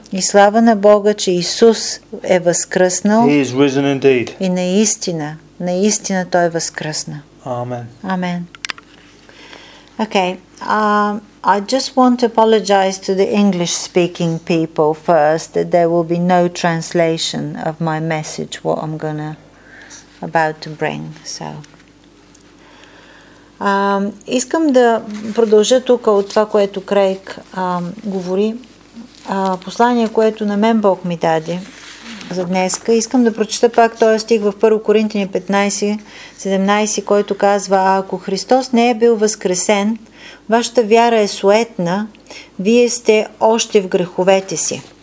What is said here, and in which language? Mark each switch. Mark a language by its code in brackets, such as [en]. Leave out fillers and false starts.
[bg] И слава на Бога, че Исус е възкръснал. [en] He is risen indeed. [bg] И наистина той е възкръсна. [en] Amen. Amen. Okay. I just want to apologize to the English speaking people first that there will be no translation of my message what I'm gonna about to bring. So. [bg] Искам да продължа тук от това, което Крейг говори. Послание, което на мен Бог ми даде за днеска. Искам да прочета пак този стих в 1 Коринтяни 15:17, който казва, а ако Христос не е бил възкресен, вашата вяра е суетна, вие сте още в греховете си.